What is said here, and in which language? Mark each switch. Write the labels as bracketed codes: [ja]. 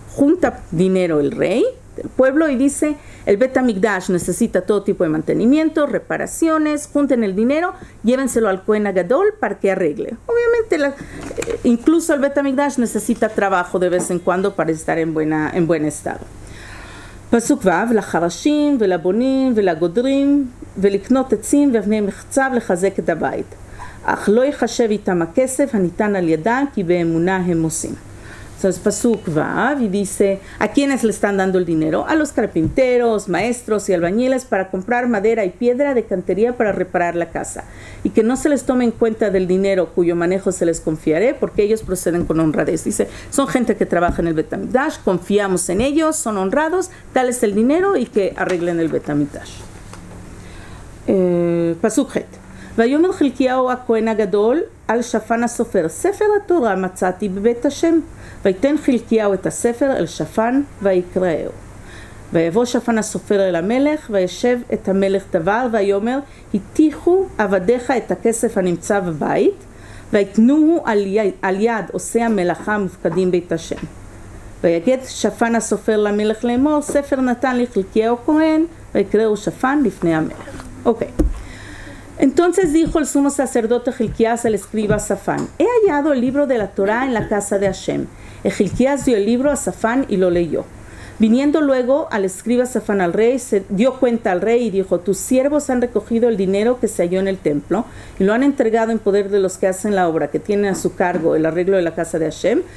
[es] Junta dinero el rey del pueblo y dice, el Bet HaMikdash necesita todo tipo de mantenimiento, reparaciones, junten el dinero, llévenselo al Kohen HaGadol para que arregle. Obviamente, incluso el Bet HaMikdash necesita trabajo de vez en cuando para estar en buen estado. [he] פסוק ו', לחרשים ולבונים ולגודרים ולקנות עצים ואבני מחצב לחזק את הבית. אך לא יחשב איתם הכסף הניתן על ידם כי באמונה הם עושים. [es] Entonces, פסוק ו', y dice, ¿a quiénes le están dando el dinero? A los carpinteros, maestros y albañiles para comprar madera y piedra de cantería para reparar la casa. Y que no se les tome en cuenta del dinero cuyo manejo se les confiaré, porque ellos proceden con honradez. Dice, son gente que trabaja en el Bet HaMikdash, confiamos en ellos, son honrados, dales el dinero y que arreglen el Bet HaMikdash. [he] Pasuk het. ויאמר חלקיהו הכהן הגדול על שפן הסופר ספר התורה מצאתי בבית השם ויתן חלקיהו את הספר אל שפן ויקראהו ויבוא שפן הסופר אל המלך וישב את המלך דבר ויאמר התיחו עבדיך את הכסף הנמצא בבית ויתנוהו על יד עושי המלאכה מופקדים בית השם ויגד שפן הסופר למלך לאמור ספר נתן לחלקיהו כהן ויקראו שפן לפני המלך. אוקיי. [es] Entonces dijo el sumo sacerdote Hilquías al escriba Safán, he hallado el libro de la Torá en la casa de Hashem. Y Hilquías dio el libro a Safán y lo leyó. Viniendo luego al escriba Safán al rey, se dio cuenta al rey y dijo, tus siervos han recogido el dinero que se halló en el templo y lo han entregado en poder de los que hacen la obra, que tienen a su cargo el arreglo de la casa de Hashem.